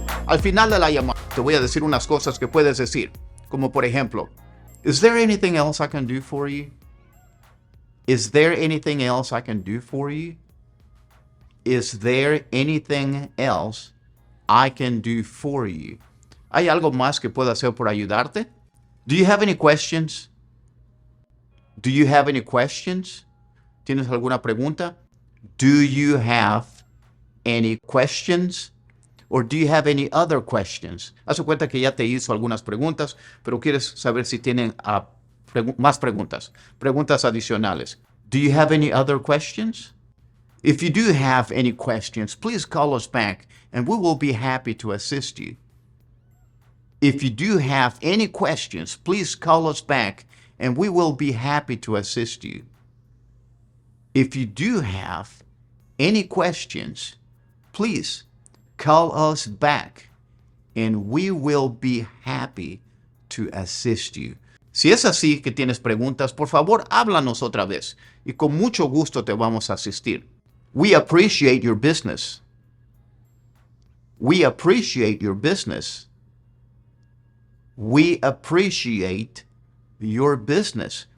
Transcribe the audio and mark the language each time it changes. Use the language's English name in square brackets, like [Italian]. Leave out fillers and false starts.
[Spanish] Al final de la llamada, te voy a decir unas cosas que puedes decir. Como por ejemplo, [English] is there anything else I can do for you? Is there anything else I can do for you? Is there anything else I can do for you? [Spanish] ¿Hay algo más que pueda hacer por ayudarte? [English] Do you have any questions? Do you have any questions? [Spanish] ¿Tienes alguna pregunta? [English] Do you have any questions? Or do you have any other questions? [Spanish] Haz cuenta que ya te hizo algunas preguntas, pero quieres saber si tienen más preguntas. Preguntas adicionales. [English] Do you have any other questions? If you do have any questions, please call us back and we will be happy to assist you. If you do have any questions, please call us back and we will be happy to assist you. If you do have any questions, please call us back and we will be happy to assist you. [Spanish] Si es así que tienes preguntas, por favor, háblanos otra vez y con mucho gusto te vamos a asistir. [English] We appreciate your business. We appreciate your business. We appreciate your business.